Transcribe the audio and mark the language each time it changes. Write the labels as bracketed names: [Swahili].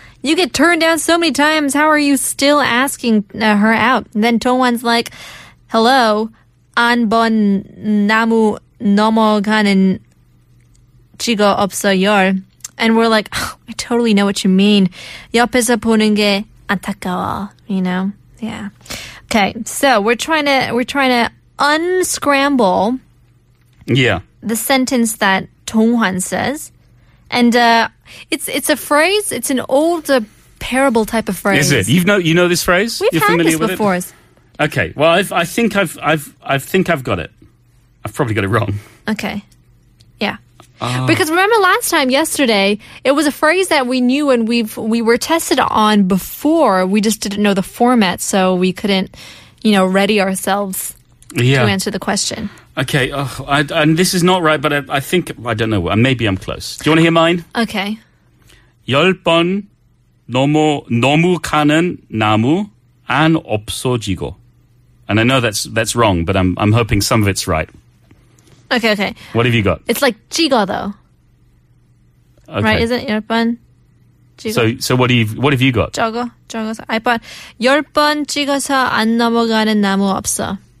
[English] You get turned down so many times. How are you still asking her out? And then Tongwan's like, "Hello, [Korean] 안 번 나무 넘어가는 지가 없어요." [English] And we're like, oh, "I totally know what you mean. [Korean] 옆에서 보는 게 안타까워." [English] You know, yeah. Okay, so we're trying to unscramble. Yeah. The sentence that Tongwan says. And it's a phrase. It's an old parable type of phrase. Is it? You know this phrase? You're familiar with it? Okay. Well, I think I've got it. I've probably got it wrong. Okay. Yeah. Because remember last time, yesterday, it was a phrase that we knew and we were tested on before. We just didn't know the format, so we couldn't, you know, ready ourselves to answer the question. Okay, and this is not right, but I think, I don't know, maybe I'm close. Do you want to hear mine? Okay. [Korean] 10번 너무 가는 나무 안 없어지고. [English] And I know that's wrong, but I'm hoping some of it's right. Okay. What have you got? It's like 지고, though. Okay. Right, isn't it? 10번 So what have you got? [Korean] 적어서 [English] I bought [Korean] 열 번 찍어서 안 넘어가는 나무 없어.